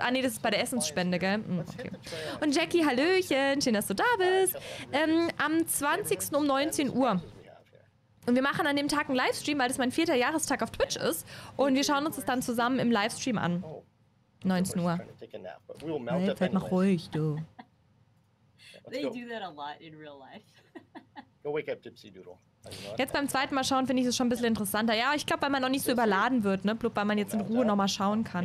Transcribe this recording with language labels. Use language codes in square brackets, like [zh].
[de] Ah, nee, das ist bei der Essensspende, gell? Okay. Und Jackie, Hallöchen, schön, dass du da bist. Am 20. um 19 Uhr. Und wir machen an dem Tag einen Livestream, weil das mein 4. Jahrestag auf Twitch ist. Und wir schauen uns das dann zusammen im Livestream an. 19 Uhr. Hey, bleib mal ruhig, du. [en] They do that a lot in real life. Go wake up, Tipsy Doodle. [de] Jetzt beim zweiten Mal schauen, finde ich es schon ein bisschen interessanter. Ja, ich glaube, weil man noch nicht so überladen wird, ne? Bloß weil man jetzt in Ruhe nochmal schauen kann.